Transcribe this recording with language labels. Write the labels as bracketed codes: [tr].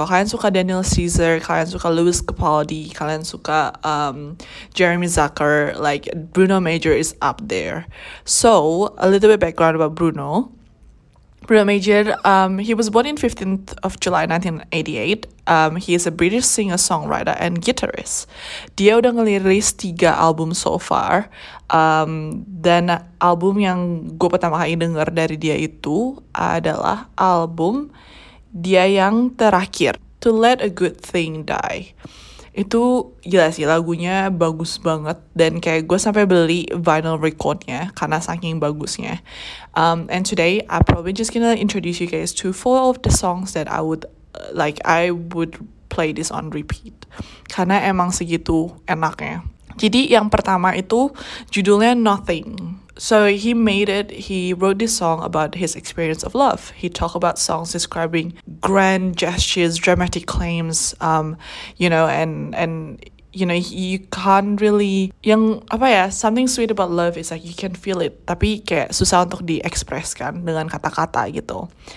[id] Kalau kalian suka Daniel Caesar, kalian suka Louis Capaldi, kalian suka Jeremy Zucker, [en] like Bruno Major is up there. So, a little bit background about Bruno. Bruno Major, he was born in 15th of July 1988. He is a British singer-songwriter and guitarist. [id] Dia udah ngelirilis 3 album [en] so far. [id] Dan album yang gue pertama kali denger dari dia itu adalah album dia yang terakhir, To Let a Good Thing Die. Itu gila sih, lagunya bagus banget. Dan kayak gue sampai beli vinyl recordnya karena saking bagusnya. [en] And today, I'm probably just gonna introduce you guys to 4 of the songs that I would, like, I would play this on repeat. [id] Karena emang segitu enaknya. Jadi yang pertama itu judulnya Nothing. [en] So he made it, he wrote this song about his experience of love. He talked about songs describing grand gestures, dramatic claims, you know, and you know, you can't really, [id] yang apa ya, [en] something sweet about love is like you can feel it, [id] tapi kayak susah untuk diekspreskan dengan kata-kata gitu.